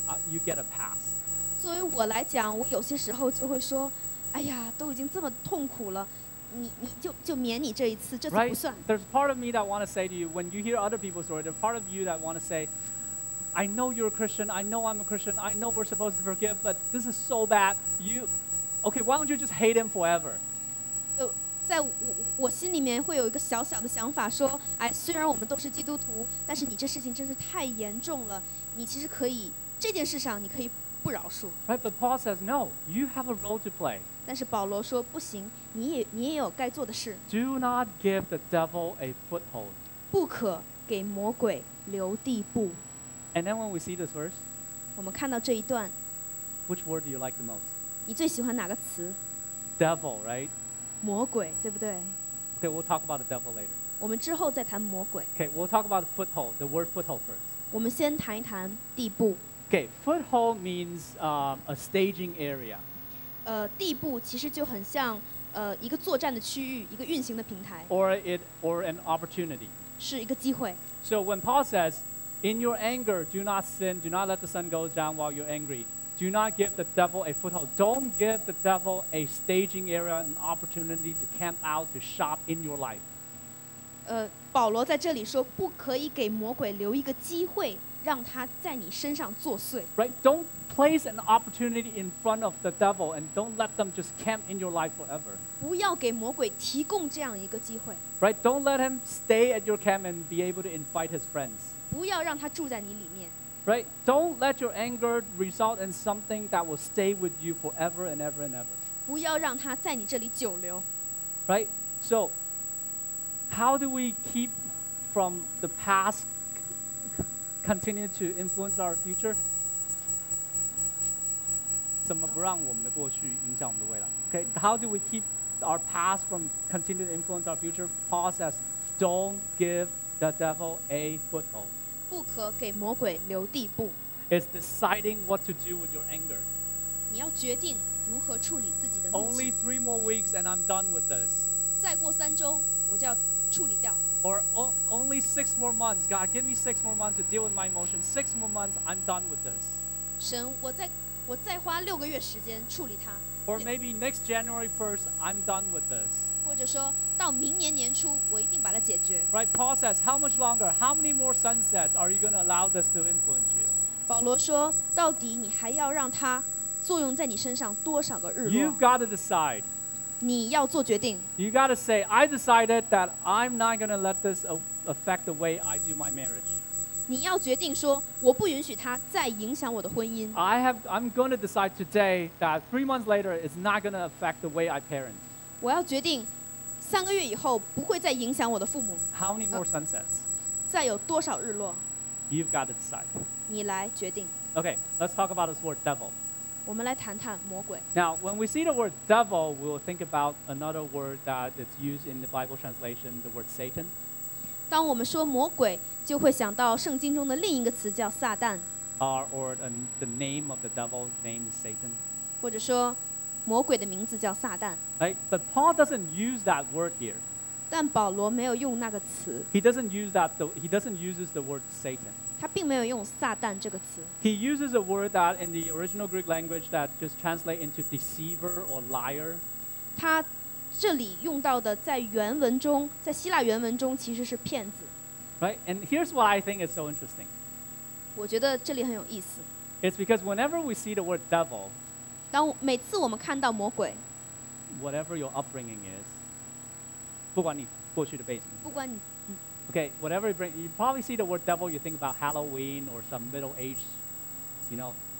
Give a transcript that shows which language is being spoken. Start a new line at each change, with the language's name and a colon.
English: You get a pass.
Chinese: 作为我来讲，我有些时候就会说，哎呀，都已经这么痛苦了。你就免你这一次，这次不算。
English: Right, there's part of me that want to say to you when you hear other people's story. There's part of you that want to say. I know you're a Christian. I know I'm a Christian. I know we're supposed to forgive, but this is so bad. Okay, why don't you just hate him forever?
Chinese: 在我心里面会有一个小小的想法，说，哎，虽然我们都是基督徒，但是你这事情真是太严重了。你其实可以这件事上你可以不饶恕。
English: Right, but Paul says no. You have a role to play.
Chinese: 但是保罗说不行，你也有该做的事。
English: Do not give the devil a foothold.
Chinese: 不可给魔鬼留地步。
English: And then when we see this verse,
Chinese: 我们看到这一段,
English: which word do you like the most?
Chinese: 你最喜欢哪个词?
English: Devil, right?
Chinese: 魔鬼,对不对?
English: Okay, we'll talk about the devil later.
Chinese: 我们之后再谈魔鬼。
English: Okay, we'll talk about the foothold, the word foothold first.
Chinese: 我们先谈一谈地步。
English: Okay, foothold means a staging area.
Chinese: 地步其实就很像一个作战的区域,一个运行的平台。
English: Or an opportunity.
Chinese: 是一个机会。
English: So when Paul says,In your anger, do not sin. Do not let the sun go down while you're angry. Do not give the devil a foothold. Don't give the devil a staging area, an opportunity to camp out, to shop in your life.
Chinese: 保罗在这里说，不可以给魔鬼留一个机会，让他在你身上作祟。
English: Right? Don't place an opportunity in front of the devil, and don't let them just camp in your life forever.
Chinese: 不要给魔鬼提供这样一个机会。
English: Right? Don't let him stay at your camp and be able to invite his friends.
Chinese: 不要让他住在你里面。
English: Right? Don't let your anger result in something that will stay with you forever and ever and ever.
Chinese: 不要让他在你这里久留。
English: Right? So, how do we keep from the past continue to influence our future?
Chinese: 怎么不让我们的过去影响我们的未来
English: ？Okay, how do we keep our past from continuing to influence our future? Paul says, "Don't give the devil a foothold."
Chinese: 不可给魔鬼留地步。
English: It's deciding what to do with your anger.
Chinese: 你要决定如何处理自己的怒气。
English: Only 3 more weeks, and I'm done with this.
Chinese: 再过三周，我就要处理掉。
English: Or only 6 more months, God, give me 6 more months to deal with my emotions. 6 more months, I'm done with this.
Chinese: 神，我再花六个月时间处理它。
English: Or maybe next January 1st, I'm done with this.
Chinese: 或者说到明年年初，我一定把它解决。
English: Right, Paul says, how much longer? How many more sunsets are you going to allow this to influence you?
Chinese: 保罗说，到底你还要让它作用在你身上多少个日落？
English: You've got to decide.
Chinese: 你要做决定。
English: You've got to say, I decided that I'm not going to let this affect the way I do my marriage.
Chinese: 你要决定说，我不允许他再影响我的婚姻。
English: I'm going to decide today that 3 months later is not going to affect the way I parent.
Chinese: 我要决定，三个月以后不会再影响我的父母。
English: How many more sunsets?
Chinese: 再有多少日落
English: ？You've got to decide.
Chinese: 你来决定。
English: Okay, let's talk about this word devil.
Chinese: 我们来谈谈魔鬼。
English: Now, when we see the word devil, we'll think about another word that is used in the Bible translation, the word Satan.
Chinese: 当我们说魔鬼，就会想到圣经中的另一个词叫撒旦。
English: Or the name of the devil's name is Satan.
Chinese: 或者说，魔鬼的名字叫撒旦。
English: Right, but Paul doesn't use that word here.
Chinese: 但保罗没有用那个词。
English: He doesn't use the word Satan.
Chinese: 他并没有用撒旦这个词。
English: He uses a word that in the original Greek language that just translates into deceiver or liar.
Chinese: 他这里用到的在原文中，在希腊原文中其实是骗子。
English: Right, and here's why I think it's so interesting.
Chinese: 我觉得这里很有意思。
English: It's because whenever we see the word devil,
Chinese: 当每次我们看到魔鬼
English: ，whatever your upbringing is,
Chinese: 不管你过去的背景，不管你
English: ，Okay, whatever you bring, you probably see the word devil, you think about Halloween or some middle age, you know.